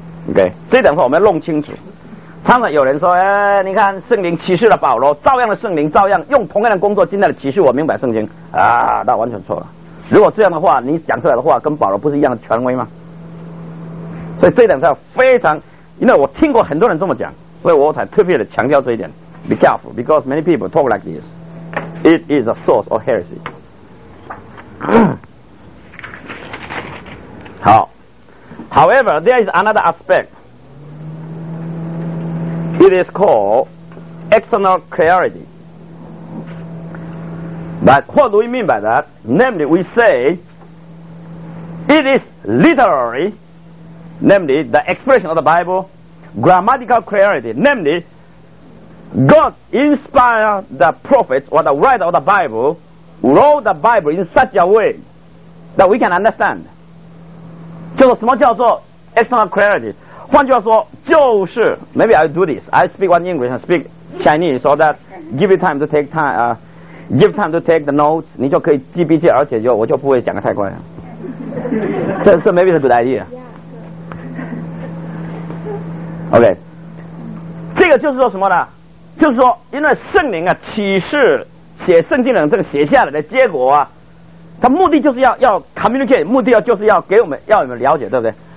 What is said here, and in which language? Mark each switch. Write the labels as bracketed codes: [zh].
[zh] OK， 这等会我们要弄清楚。常常有人说，你看圣灵启示了保罗，照样的圣灵照样用同样的工作，今天的启示我明白圣经啊，那完全错了。如果这样的话，你讲出来的话跟保罗不是一样的权威吗？所以这一点是非常，因为我听过很多人这么讲，所以我才特别的强调这一点。 [en] Be careful, because many people talk like this, it is a source of heresy. 好， However, there is another aspectIt is called external clarity. But what do we mean by that? Namely, we say it is literary, namely the expression of the Bible, grammatical clarity, namely God inspired the prophets or the writer of the Bible, wrote the Bible in such a way that we can understand. [zh] 就是什么叫做 external clarity? 换句话说，就是 [en] maybe I'll do this. I speak one English and speak Chinese, so that give you time to take time. Give time to take the notes. [zh] 你就可以记笔记，而且就我就不会讲得太快了。这 [en] maybe is a good idea. [zh] OK， 这个就是说什么呢？就是说，因为圣灵啊，启示写圣经的这个写下来的结果啊，它目的就是要 communicate， 目的就是要给我们要你们了解，对不对？